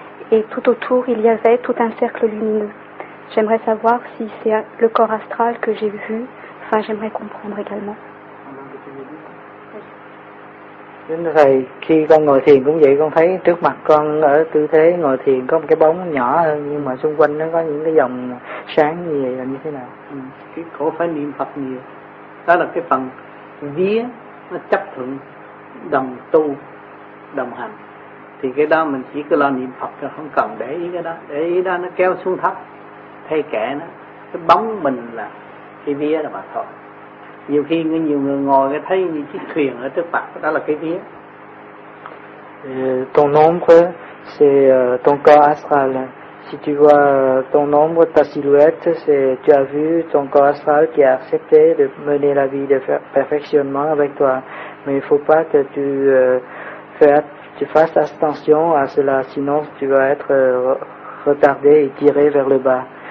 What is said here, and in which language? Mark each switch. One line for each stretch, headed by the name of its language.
French: Et tout autour, il y avait tout un cercle lumineux. J'aimerais savoir si c'est le corps astral que j'ai vu, enfin j'aimerais comprendre également.
Vietnamese: Đến thầy, khi con ngồi thiền cũng vậy, con thấy trước mặt con ở tư thế ngồi thiền có một cái bóng nhỏ hơn, nhưng mà xung quanh nó có những cái dòng sáng như vậy là như thế nào? Cái cổ phải niệm Phật nhiều, đó là cái phần vía, nó chấp thuận, đồng tu, đồng hành. Thì cái đó mình chỉ cứ lo niệm Phật, không cần để ý cái đó, để ý đó nó kéo xuống thấp, thay kẻ nó, cái bóng mình là cái vía là mà thôi. Nhiều khi nhiều người ngồi thấy như chiếc thuyền ở trước mặt, đó là cái vía.
French: Ton ombre, c'est ton corps astral. Si tu vois ton ombre, ta silhouette, c'est tu as vu ton corps astral qui a accepté de mener la vie de perfectionnement avec toi. Mais il ne faut pas que tu, tu fasses attention à cela, sinon tu vas être retardé et tiré vers le bas.